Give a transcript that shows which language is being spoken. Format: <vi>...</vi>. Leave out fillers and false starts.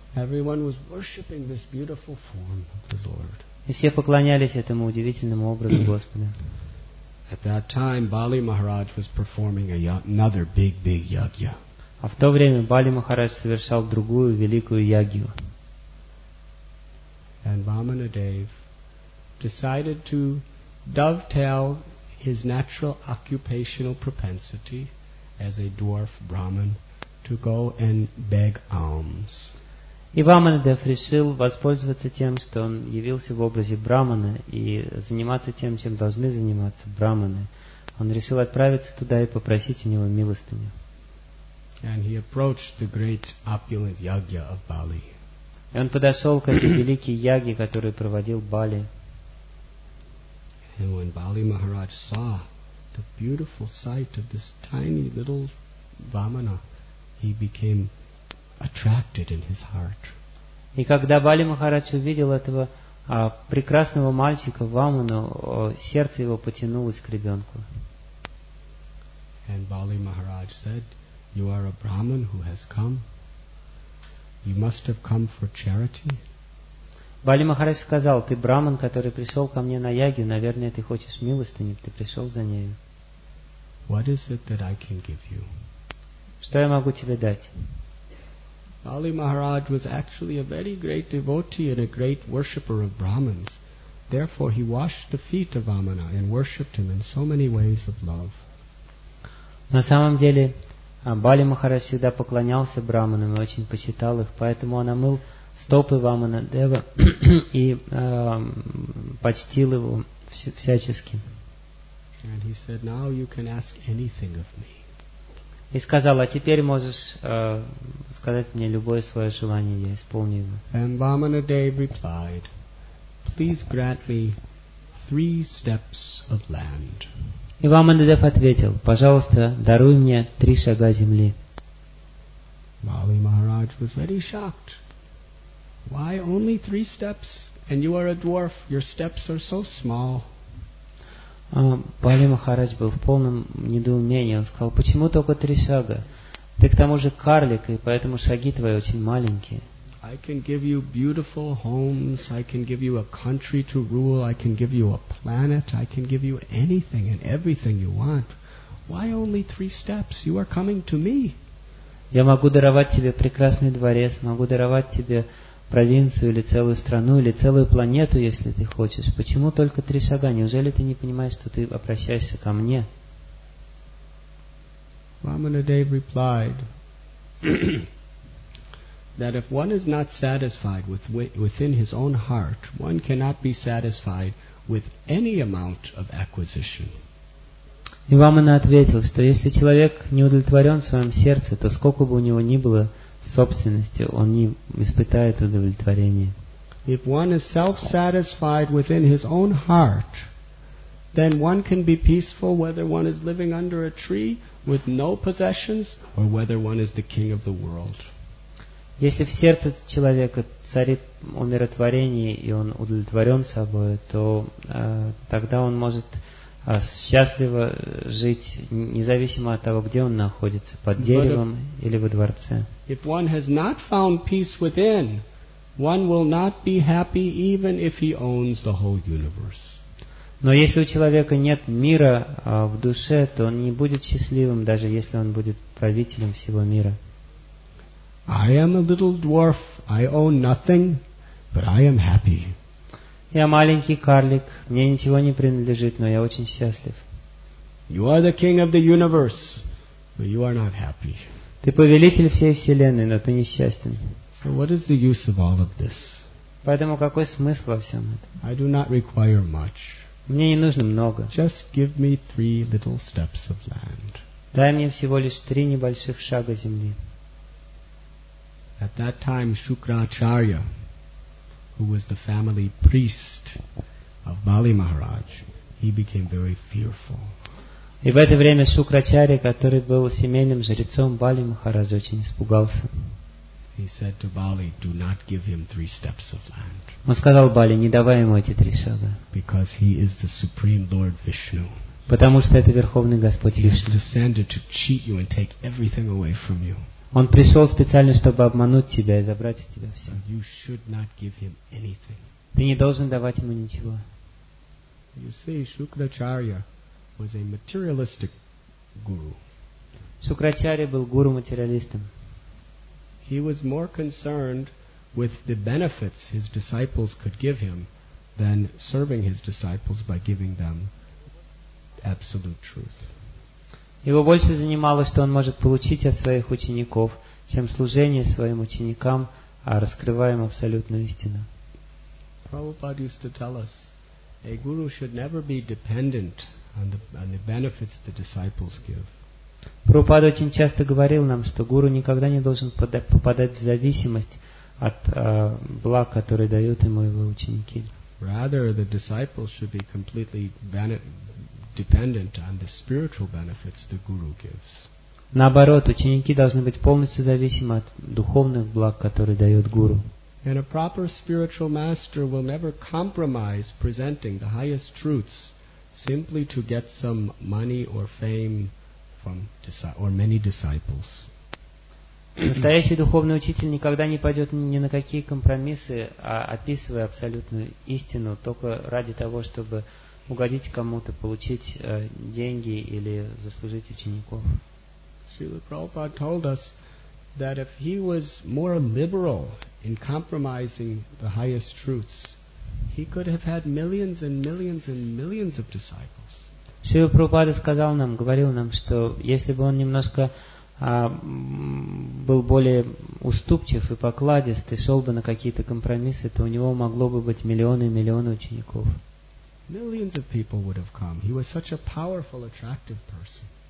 <en>Everyone was worshiping this beautiful form of the Lord.</en> <ru>И все поклонялись этому удивительному образу Господа.</ru> <en>At that time, Bali Maharaj was performing another big yagya.</en> <ru>А в то время Бали Махарадж совершал другую великую ягью.</ru> <en>And Vamanadev decided to dovetail his natural occupational propensity as a dwarf Brahmin to go and beg alms.</en> <ru>И Vamanadev решил воспользоваться тем, что он явился в образе Брахмана, и заниматься тем, чем должны заниматься Брахманы. Он решил отправиться туда и попросить у него милостыню.</ru> <en>And he approached the great opulent yagya of Bali.</en> <ru>И он подошел к этой великой яге, которую проводил Бали.</ru> <en>And when Bali Maharaj saw the beautiful sight of this tiny little Vamana, he became attracted in his heart.</en> <ru>И когда Бали Махарадж увидел этого прекрасного мальчика Вамана, сердце его потянулось к ребенку.</ru> <en>And Bali Maharaj said, "You are a Brahmin who has come. You must have come for charity."</en> <ru>Бали Махарадж сказал: "Ты Брахман, который пришел ко мне на ягью, наверное, ты хочешь милостыни, ты пришел за нею. What is it that I can give you?" Что я могу тебе дать?</ru> <en>Bali Maharaj was actually a very great devotee and a great worshipper of Brahmins, Therefore, he washed the feet of Vamana and worshipped him in so many ways of love.</en> <ru>На самом деле, Бали Махарадж всегда поклонялся браманам и очень почитал их, поэтому он омыл стопы Вамана Дева и почтил его всячески.</ru> <en>And he said, "Now you can ask anything of me."</en> <ru>И сказал, а теперь можешь сказать мне любое свое желание, я исполню его.</ru> <en>And Vamana Dev replied, "Please grant me 3 steps of land."</en> <ru>И Vamana Dev ответил, пожалуйста, даруй мне 3 шага земли.</ru> <en>Bali Maharaj was very shocked. Why only 3 steps? And you are a dwarf. Your steps are so small.</en> <ru>Бали Махарадж был в полном недоумении. Он сказал, почему только 3 шага? Ты к тому же карлик, и поэтому шаги твои очень маленькие.</ru> <en>I can give you beautiful homes, I can give you a country to rule, I can give you a planet, I can give you anything and everything you want. Why only 3 steps? You are coming to me.</en> <ru>Я могу даровать тебе прекрасный дворец, могу даровать тебе провинцию или целую страну или целую планету, если ты хочешь. Почему только 3 шага? Неужели ты не понимаешь, что ты обращаешься ко мне?</ru> <en>Vamana Dev replied that if one is not satisfied within his own heart, one cannot be satisfied with any amount of acquisition.</en> <ru>И Vamana ответил, что если человек не удовлетворен в своем сердце, то сколько бы у него ни было собственности, он не испытает удовлетворения.</ru> <en>If one is self-satisfied within his own heart, then one can be peaceful whether one is living under a tree with no possessions or whether one is the king of the world.</en> <ru>Если в сердце человека царит умиротворение и он удовлетворен собой, то тогда он может счастливо жить, независимо от того, где он находится, под деревом или во дворце.</ru> <en>If one has not found peace within, one will not be happy even if he owns the whole universe.</en> <ru>Но если у человека нет мира в душе, то он не будет счастливым, даже если он будет правителем всего мира.</ru> <en>I am a little dwarf, I own nothing, but I am happy.</en> <ru>Я маленький карлик, мне ничего не принадлежит, но я очень счастлив.</ru> <en>You are the king of the universe, but you are not happy.</en> <ru>Ты повелитель всей вселенной, но ты несчастен.</ru> <en>So what is the use of all of this?</en> <ru>Поэтому какой смысл во всем этом?</ru> <en>I do not require much.</en> <ru>Мне не нужно много.</ru> <en>Just give me 3 little steps of land.</en> <ru>Дай мне всего лишь 3 небольших шага земли.</ru> <en>At that time, Shukracharya, who was the family priest of Bali Maharaj, he became very fearful.</en> <ru>И в это время Шукрачарья, который был семейным жрецом Бали Махараджа, очень испугался.</ru> <en>He said to Bali, "Do not give him 3 steps of land."</en> <ru>Он сказал Бали, не давай ему эти 3 шага.</ru> <en>Because he is the supreme Lord Vishnu.</en> <ru>Потому что это верховный Господь Вишну.</ru> <en>He has descended to cheat you and take everything away from you.</en> <ru>Он пришел специально, чтобы обмануть тебя и забрать у тебя все.</ru> <en>You should not give him anything.</en> <ru>Ты не должен давать ему ничего.</ru> <en>You see, Shukracharya was a materialistic guru.</en> <ru>Шукрачарья был гуру-материалистом.</ru> <en>He was more concerned with the benefits his disciples could give him than serving his disciples by giving them absolute truth.</en> <ru>Его больше занимало, что он может получить от своих учеников, чем служение своим ученикам, а раскрывая им абсолютную истину.</ru> <en>Prabhupada used to tell us, a guru should never be dependent on the benefits the disciples give.</en> <ru>Prabhupada очень часто говорил нам, что гуру никогда не должен попадать в зависимость от благ, которые дают ему его ученики.</ru> <en>Rather, the disciples should be completely dependent on the spiritual benefits the guru gives.</en> <ru>Наоборот, ученики должны быть полностью зависимы от духовных благ, которые дает гуру.</ru> <en>And a proper spiritual master will never compromise presenting the highest truths simply to get some money or fame from many disciples.</en> <ru>Настоящий духовный учитель никогда не пойдет ни на какие компромиссы, а описывая абсолютную истину только ради того, чтобы угодить кому-то, получить деньги или заслужить учеников.</ru> <en>Srila Prabhupada told us that if he was more liberal in compromising the highest truths, He could have had millions and millions and millions of disciples.</en> <ru>Шрила Прабхупада сказал нам, говорил нам, что если бы он немножко был более уступчив и покладист и шел бы на какие-то компромиссы, то у него могло бы быть миллионы и миллионы учеников.</ru> <en>Millions of people would have come. He was such a powerful, attractive person.</en>